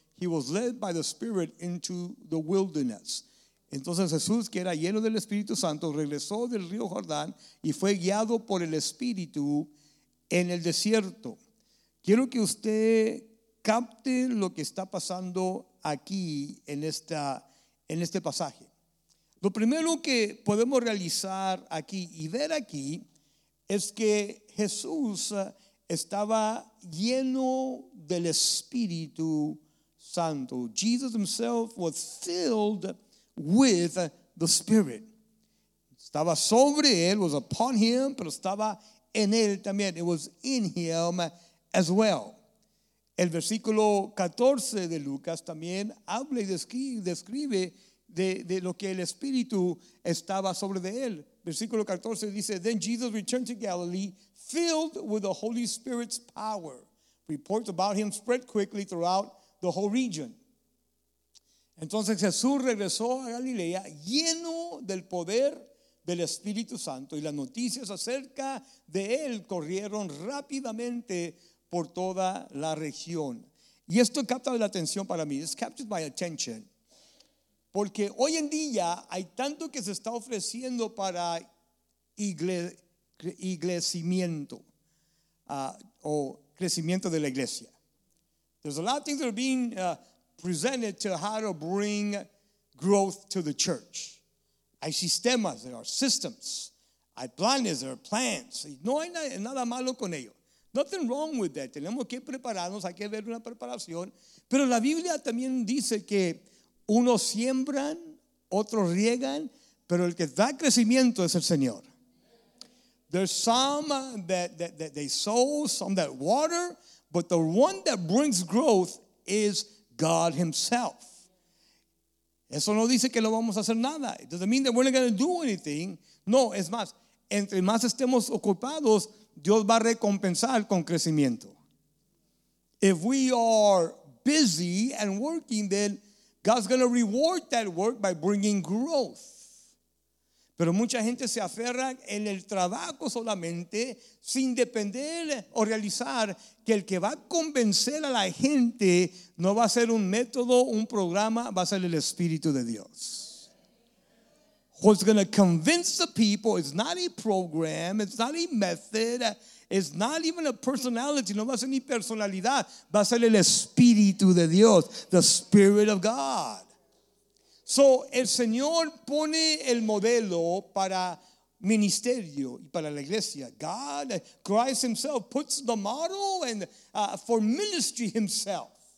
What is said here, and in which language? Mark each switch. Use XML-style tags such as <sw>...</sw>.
<en>He was led by the Spirit into the wilderness.</en> <es>Entonces Jesús, que era lleno del Espíritu Santo, regresó del río Jordán y fue guiado por el Espíritu en el desierto. Quiero que usted capte lo que está pasando aquí en este pasaje. Lo primero que podemos realizar aquí y ver aquí es que Jesús estaba lleno del Espíritu Santo.</es> <en>Jesus himself was filled with the Spirit.</en> <es>Estaba sobre él,</es> <en>was upon him,</en> <es>pero estaba en él también.</es> <en>It was in him as well.</en> <es>El versículo 14 de Lucas también habla y describe de lo que el Espíritu estaba sobre de él. Versículo 14 dice,</es> <en>then Jesus returned to Galilee, filled with the Holy Spirit's power. Reports about him spread quickly throughout the whole region.</en> <es>Entonces Jesús regresó a Galilea lleno del poder del Espíritu Santo, y las noticias acerca de él corrieron rápidamente por toda la región. Y esto capta la atención para mí.</es> <en>It's captured my attention.</en> <es>Porque hoy en día hay tanto que se está ofreciendo para iglesimiento o crecimiento de la iglesia.</es> <en>There's a lot of things that are being presented to how to bring growth to the church.</en> <es>Hay sistemas,</es> <en>there are systems.</en> <es>Hay planes,</es> <en>there are plans.</en> <es>No hay nada malo con ello.</es> <en>Nothing wrong with that.</en> <es>Tenemos que prepararnos, hay que ver una preparación. Pero la Biblia también dice que unos siembran, otros riegan, pero el que da crecimiento es el Señor.</es> <en>There's some that they sow, some that water, but the one that brings growth is God himself.</en> <es>Eso no dice que no vamos a hacer nada.</es> <en>It doesn't mean that we're not going to do anything.</en> <es>No, es más, entre más estemos ocupados, Dios va a recompensar con crecimiento.</es> <en>If we are busy and working, then God's going to reward that work by bringing growth.</en> <es>Pero mucha gente se aferra en el trabajo solamente sin depender o realizar que el que va a convencer a la gente no va a ser un método, un programa, va a ser el Espíritu de Dios.</es> <en>What's going to convince the people is not a program, it's not a method, it's not even a personality,</en> <es>no va a ser ni personalidad, va a ser el Espíritu de Dios,</es> <en>the Spirit of God.</en> <es>So, el Señor pone el modelo para ministerio y para la iglesia.</es> <en>God, Christ himself, puts the model and for ministry himself.</en>